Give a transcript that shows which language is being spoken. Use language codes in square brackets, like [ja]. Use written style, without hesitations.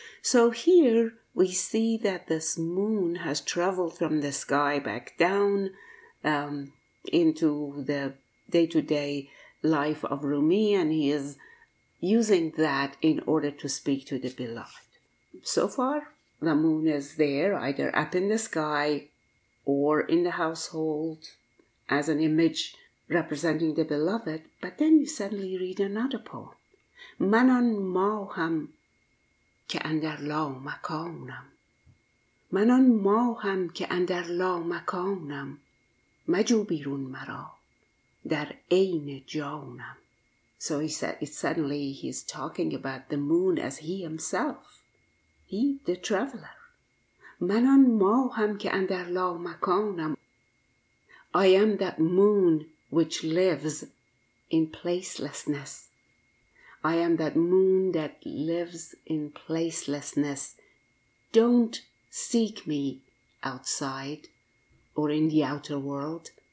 [en] So here we see that this moon has traveled from the sky back down into the day-to-day life of Rumi, and he is using that in order to speak to the beloved. So far, the moon is there, either up in the sky or in the household as an image representing the beloved. But then you suddenly read another poem. [fa] من آن ماهم که اندر لا مکانم. من آن ماهم که اندر لا مکانم. مجو بیرون مرا در عین جانم. [en] So he said, it's suddenly he's talking about the moon as he himself. He, the traveler. [fa] من آن ماهم که اندر لا مکانم. [en] I am that moon which lives in placelessness. I am that moon that lives in placelessness. Don't seek me outside or in the outer world.